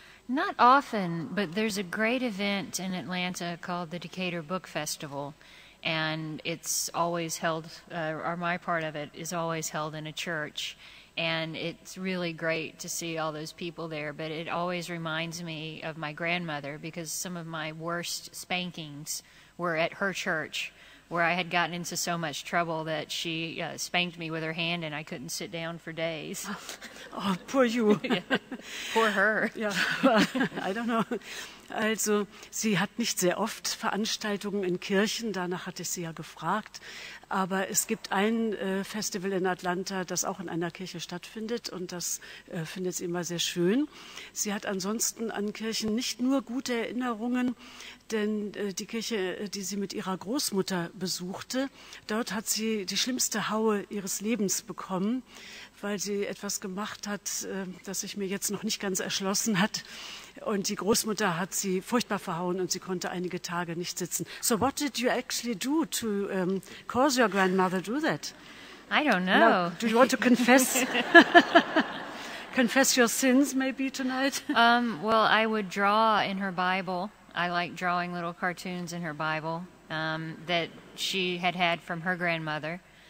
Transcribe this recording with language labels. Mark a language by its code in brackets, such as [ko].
[en] Not often, but there's a great event in Atlanta called the Decatur Book Festival, and it's always held, or my part of it is always held in a church, and it's really great to see all those people there, but it always reminds me of my grandmother, because some of my worst spankings were at her church, where I had gotten into so much trouble that she spanked me with her hand and I couldn't sit down for days. Oh, poor you. Poor her. Yeah. I don't know. [de] Also, sie hat nicht sehr oft Veranstaltungen in Kirchen, danach hatte ich sie ja gefragt. Aber es gibt ein Festival in Atlanta, das auch in einer Kirche stattfindet und das findet sie immer sehr schön. Sie hat ansonsten an Kirchen nicht nur gute Erinnerungen, denn die Kirche, die sie mit ihrer Großmutter besuchte, dort hat sie die schlimmste Haue ihres Lebens bekommen, weil sie etwas gemacht hat, das sich mir jetzt noch nicht ganz erschlossen hat. Und die Großmutter hat sie furchtbar verhauen und sie konnte einige Tage nicht sitzen. [en] So what did you actually do to cause your grandmother to do that? I don't know. Now, do you want to confess? Confess your sins maybe tonight? Well, I would draw in her Bible. I like drawing little cartoons in her Bible that she had from her grandmother.